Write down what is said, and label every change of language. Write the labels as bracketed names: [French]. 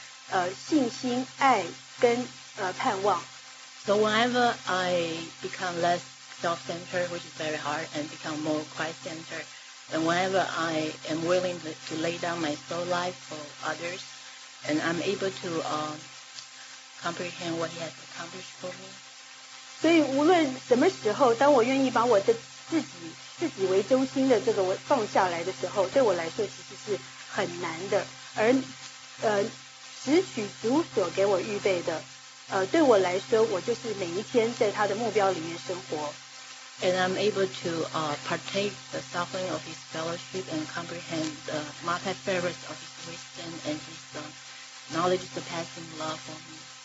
[Chinese] 所以我每天要征战的,我要争取的就是主在永恒里面为我所预备的,在我每天里面我要得胜的目标就是信心,爱跟盼望。 [English] So whenever I become less self-centered, which is very hard, and become more Christ-centered, and whenever I am willing to lay down my soul life for others, and I'm able to comprehend what he has accomplished for me. [Chinese] 所以无论什么时候,当我愿意把我的自己为中心的这个放下来的时候,对我来说其实是很难的。而只取主所给我预备的,对我来说,我就是每一天在他的目标里面生活。 [English] And I'm able to partake the suffering of his fellowship and comprehend the multifarious of his wisdom and his knowledge surpassing love for me.